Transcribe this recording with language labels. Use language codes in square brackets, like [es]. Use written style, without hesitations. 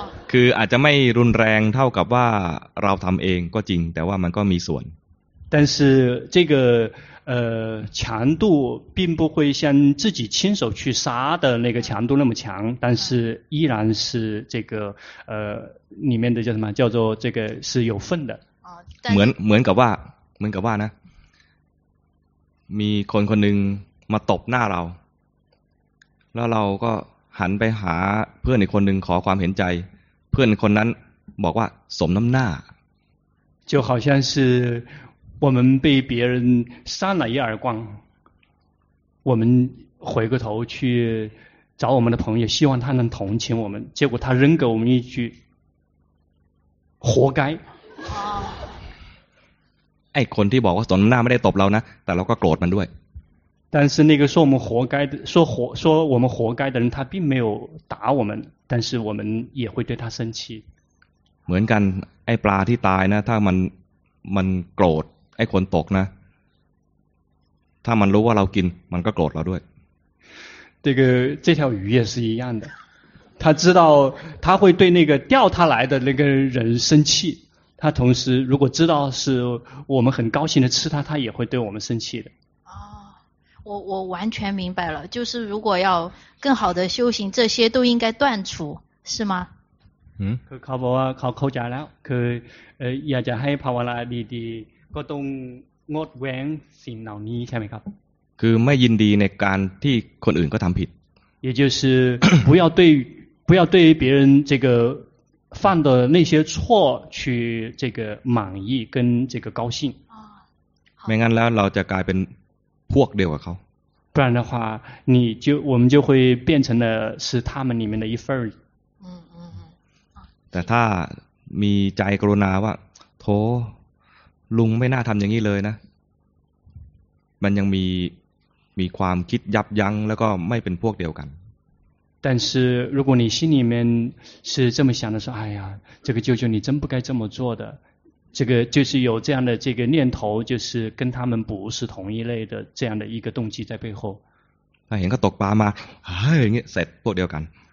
[th] คืออาจจะไม่รุนแรงเท่ากับว่าเราทำเองก็จริงแต่ว่ามันก็มีส่วน [zh] 但是这个强度并不会像自己亲手去杀的那个强度那么强但是依然是这个里面的叫什么叫做这个是有份的 [th] เหมือนกับว่านะมีคนคนหนึ่งมาตบหน้าเราแล้วเราก็หันไปหาเพื่อนอีกคนหนึ่งขอความเห็นใจเพื่อนคนนั้นบอกว่าสมน้ำหน้า [zh] 就好像是我们被别人扇了一耳光我们回个头去找我们的朋友，希望他能同情我们，结果他扔给我们一句活该。 [th] ไอ้คนที่บอกว่าตอนหน้าไม่ได้ตบเรานะแต่เราก็โกรธมันด้วย [zh] 但是那个说我们活该的说我们活该的人他并没有打我们但是我们也会对他生气 [th] เหมือนกันไอ้ปลาที่ตายนะถ้ามันโกรธไอ้คนตกนะถ้ามันรู้ว่าเรากินมันก็โกรธเราด้วย [zh] 这个这条鱼也是一样的他知道他会对那个钓他来的那个人生气他同时如果知道是我们很高兴的吃他他也会对我们生气的我完全明白了，就是如果要更好的修行，这些都应该断除，是吗？嗯， [th] เขาบอกว่าเขาเข้าใจแล้วคืออยากจะให้ภาวนาดีๆก็ต้องงดเว้นสิ่งเหล่านี้ใช่ไหมครับ คือไม่ยินดีในการที่คนอื่นก็ทำผิด [zh] 也就是不要对别人这个犯的那些错去这个满意跟这个高兴 [th] ไม่งั้นแล้วเราจะกลายเป็นพวกเดียวกับเขา [zh] 不然的话你就我们就会变成了是他们里面的一份 [th] แต่ถ้ามีใจกรุณาว่าโถลุงไม่น่าทำอย่างนี้เลยนะมันยังมีความคิดยับยั้งแล้วก็ไม่เป็นพวกเดียวกัน [zh] 但是如果你心里面是这么想的说哎呀这个舅舅你真不该这么做的这个就是有这样的这个念头，就是跟他们不是同一类的这样的一个动机在背后。哎，人家毒巴嘛，哎，你谁不了解？